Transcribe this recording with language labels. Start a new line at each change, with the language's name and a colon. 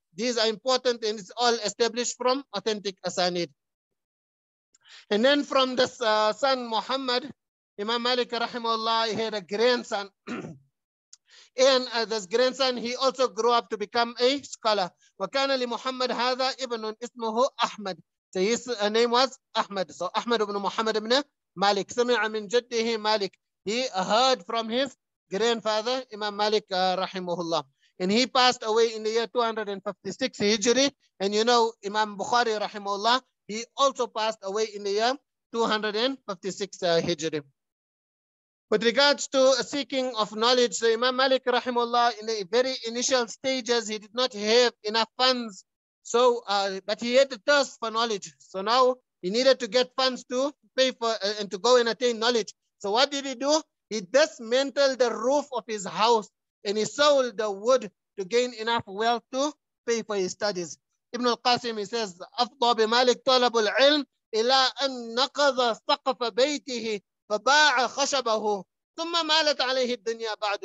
English: These are important, and it's all established from authentic asanid. And then from this son Muhammad, Imam Malik rahimahullah, he had a grandson. And this grandson, he also grew up to become a scholar.
Arabic: وَكَانَ لِمُحَمَّدْ هَذَا إِبْنٌ إِسْمُهُ أَحْمَدٌ,
English: so his name was Ahmad. So Ahmad ibn Muhammad ibn Malik.
Arabic: سَمِعَ مِنْ جَدِّهِ Malik.
English: He heard from his grandfather, Imam Malik rahimahullah. And he passed away in the year 256 Hijri. And you know, Imam Bukhari rahimahullah, he also passed away in the year 256 Hijri. With regards to seeking of knowledge, so Imam Malik rahimahullah, in the very initial stages, he did not have enough funds. So, but he had the thirst for knowledge. So now he needed to get funds to pay for and to go and attain knowledge. So what did he do? He dismantled the roof of his house and he sold the wood to gain enough wealth to pay for his studies. Ibn al-Qasim, he says,
Arabic: أفضى بمالك طلب العلم إلى أن نقض سقف بيته فباع خشبه ثم مالت عليه الدنيا بعد.